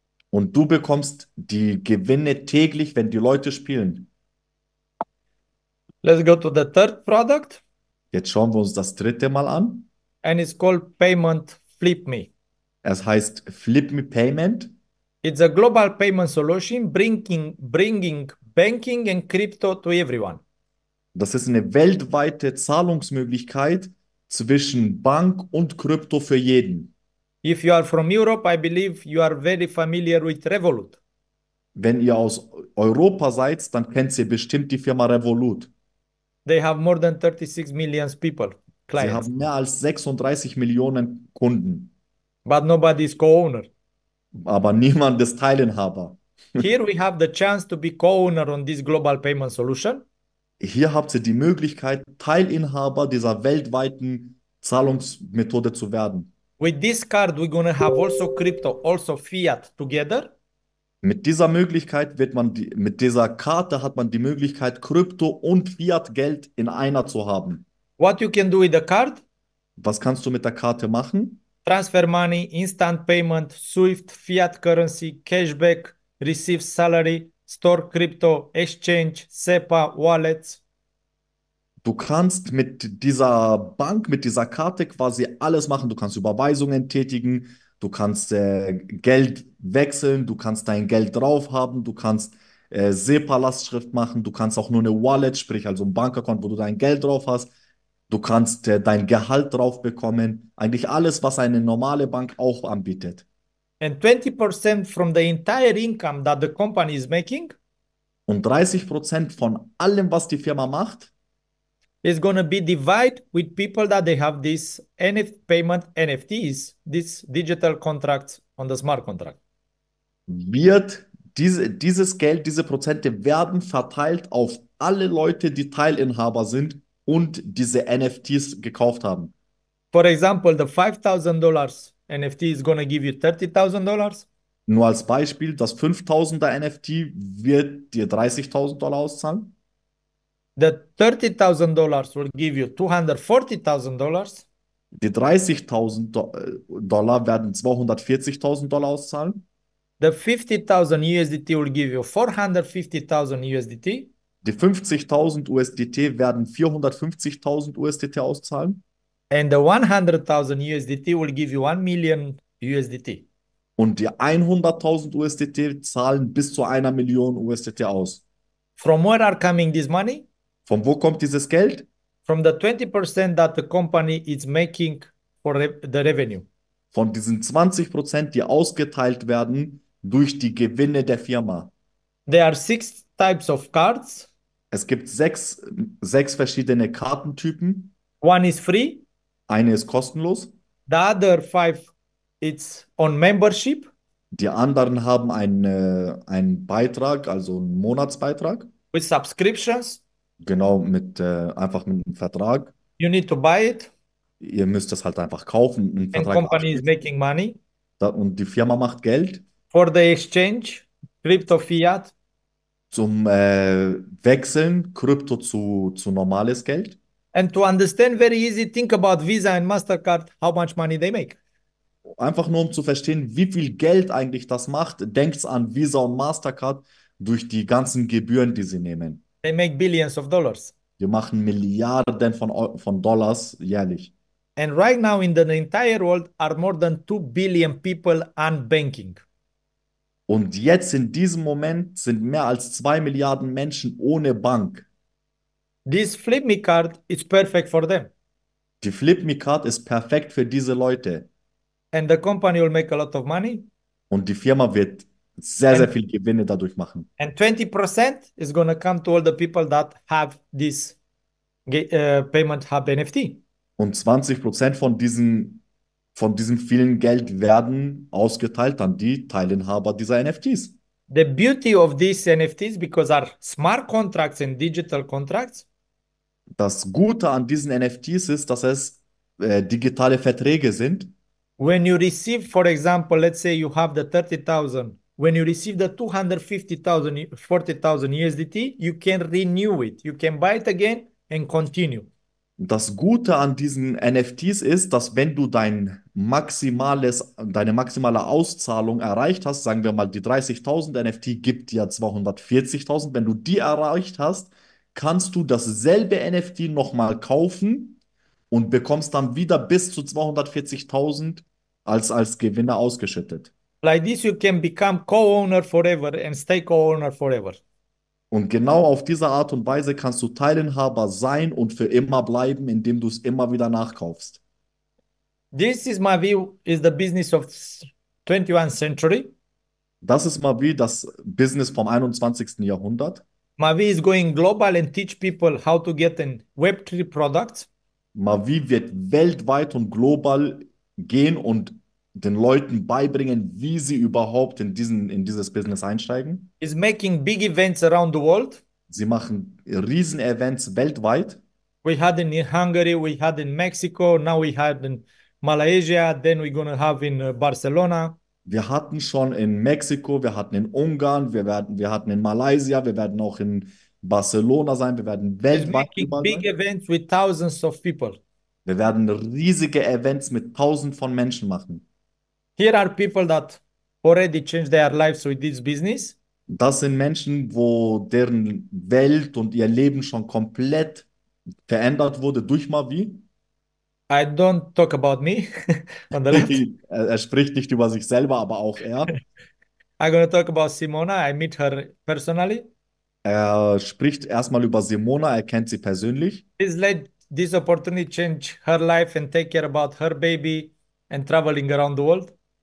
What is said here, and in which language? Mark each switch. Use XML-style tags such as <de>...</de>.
<de>Und du bekommst die Gewinne täglich, wenn die Leute spielen.</de> <en>Let's go to the third product.</en> <de>Jetzt schauen wir uns das dritte Mal an.</de> <en>And it's called Payment Flip Me.</en> <de>Es heißt Flip Me Payment.</de> <en>It's a global payment solution bringing banking and crypto to everyone.</en> <de>Das ist eine weltweite Zahlungsmöglichkeit zwischen Bank und Krypto für jeden.</de> <en>If you are from Europe, I believe you are very familiar with Revolut.</en> <de>Wenn ihr aus Europa seid, dann kennt ihr bestimmt die Firma Revolut.</de> <en>They have more than 36 million people, clients.</en> <de>Sie haben mehr als 36 Millionen Kunden.</de> <en>But nobody is co-owner.</en> <de>Aber niemand ist Teilinhaber.</de> <en>Here we have the chance to be co-owner on this global payment solution.</en> <de>Hier habt ihr die Möglichkeit, Teilinhaber dieser weltweiten Zahlungsmethode zu werden.</de> <en>With this card, we're going to have also crypto, also fiat together.</en> <de>Mit dieser Möglichkeit mit dieser Karte hat man die Möglichkeit, Krypto und Fiat-Geld in einer zu haben.</de> <en>What you can do with the card?</en> <de>Was kannst du mit der Karte machen?</de> <en>Transfer money, instant payment, Swift, fiat currency, cashback, receive salary, store crypto, exchange, SEPA, wallets.</en> <de>Du kannst mit dieser Bank, mit dieser Karte quasi alles machen. Du kannst Überweisungen tätigen, du kannst Geld wechseln, du kannst dein Geld drauf haben, du kannst SEPA-Lastschrift machen, du kannst auch nur eine Wallet, sprich also ein Bankkonto, wo du dein Geld drauf hast. Du kannst dein Gehalt drauf bekommen. Eigentlich alles, was eine normale Bank auch anbietet.</de> <en>And 20% from the entire income that the company is making.</en> <de>Und 30% von allem, was die Firma macht,</de> <en>is going to be divided with people that they have these NFT payment NFTs, these digital contracts on the smart contract.</en> <de>Wird dieses Geld, diese Prozente werden verteilt auf alle Leute, die Teilinhaber sind und diese NFTs gekauft haben.</de> <en>For example, the $5,000 NFT is going to give you $30,000.</en> <de>Nur als Beispiel, das 5.000er NFT wird dir $30,000 auszahlen.</de> <en>The $30,000 will give you $240,000.</en> <de>Die $30,000 werden $240,000 auszahlen.</de> <en>The $50,000 USDT will give you $450,000 USDT.</en> <de>Die 50.000 USDT werden $450,000 USDT auszahlen.</de> <en>And the $100,000 USDT will give you $1 million USDT.</en> <de>Und die 100.000 USDT zahlen bis zu 1 Million USDT aus.</de> <en>From where are coming this money?</en> <de>Von wo kommt dieses Geld?</de> <en>From the 20% that the company is making for the revenue.</en> <de>Von diesen 20%, die ausgeteilt werden durch die Gewinne der Firma.</de> <en>There are 6 types of cards.</en> <de>Es gibt 6 verschiedene Kartentypen.</de> <en>One is free.</en> <de>Eine ist kostenlos.</de> <en>The other five, it's on membership.</en> <de>Die anderen haben einen Beitrag, also einen Monatsbeitrag.</de> <en>With subscriptions.</en> <de>Genau, einfach mit einem Vertrag.</de> <en>You need to buy it.</en> <de>Ihr müsst das halt einfach kaufen, einen</de> <en>And</en> <de>Vertrag</de> <en>company is</en> <de>abschließen.</de> <en>making money.</en> <de>Und die Firma macht Geld.</de> <en>For the exchange, crypto fiat.</en> <de>Zum Wechseln Krypto zu normales Geld.</de> <en>And to understand very easy, think about Visa and Mastercard, how much money they make.</en> <de>Einfach nur um zu verstehen, wie viel Geld eigentlich das macht, denkt an Visa und Mastercard durch die ganzen Gebühren, die sie nehmen.</de> <en>They make billions of dollars.</en> <de>Wir machen Milliarden von Dollars jährlich.</de> <en>And right now in the entire world are more than 2 billion people unbanking.</en> <de>Und jetzt in diesem Moment sind mehr als 2 Milliarden Menschen ohne Bank.</de> <en>This Flip Me Card is perfect for them.</en> <de>Die Flip Me Card ist perfekt für diese Leute.</de> <en>And the company will make a lot of money.</en> <de>Und die Firma wird sehr, sehr viel Gewinne dadurch machen.</de> <en>And 20% is going to come to all the people that have this payment hub NFT.</en> <de>Und 20% von diesem vielen Geld werden ausgeteilt an die Teilinhaber dieser NFTs.</de> <en>The beauty of these NFTs, because are smart contracts and digital contracts,</en> <de>Das Gute an diesen NFTs ist, dass es digitale Verträge sind.</de> <en>when you receive, for example, let's say you have the 30,000, when you receive the 250,000, 40,000 USDT, you can renew it. You can buy it again and continue.</en> <de>Das Gute an diesen NFTs ist, dass wenn du deine maximale Auszahlung erreicht hast, sagen wir mal, die 30.000 NFT gibt dir 240.000, wenn du die erreicht hast, kannst du dasselbe NFT nochmal kaufen und bekommst dann wieder bis zu 240.000 als Gewinner ausgeschüttet.</de> <en>Like this, you can become co-owner forever and stay co-owner forever.</en> <de>Und genau auf diese Art und Weise kannst du Teilinhaber sein und für immer bleiben, indem du es immer wieder nachkaufst.</de> <en>This is my view, is the business of 21st century.</en> <de>Das ist mal wie das Business vom 21. Jahrhundert.</de> <en>My view is going global and teach people how to get an Web3 product.</en> <de>Mal wie wird weltweit und global gehen und den Leuten beibringen, wie sie überhaupt in dieses Business einsteigen.</de> <en>Is making big events around the world.</en> <de>Sie machen Riesen-Events weltweit.</de> <en>We had in Hungary, we had in Mexico, now we had in Malaysia, then we're gonna have in Barcelona.</en> <de>Wir hatten schon in Mexiko, wir hatten in Ungarn, wir hatten in Malaysia, wir werden auch in Barcelona sein, wir werden</de> <en>Is</en> <de>weltweit</de> <en>making</en> <de>überall</de> <en>big</en> <de>sein.</de> <en>events with thousands of people.</en> <de>Wir werden riesige Events mit tausend von Menschen machen.</de> <en>Here are people that already changed their lives with this business.</en> <de>Das sind Menschen, wo deren Welt und ihr Leben schon komplett verändert wurde durch Mavi.</de> <en>I don't talk about me on the left.</en> <de>Er spricht nicht über sich selber, aber auch er.</de> <en>gonna talk about Simona. I meet her personally.</en> <de>Er spricht erstmal über Simona, er kennt sie persönlich.</de> <en>This led this opportunity change her life and take care about her baby and traveling around the world.</en>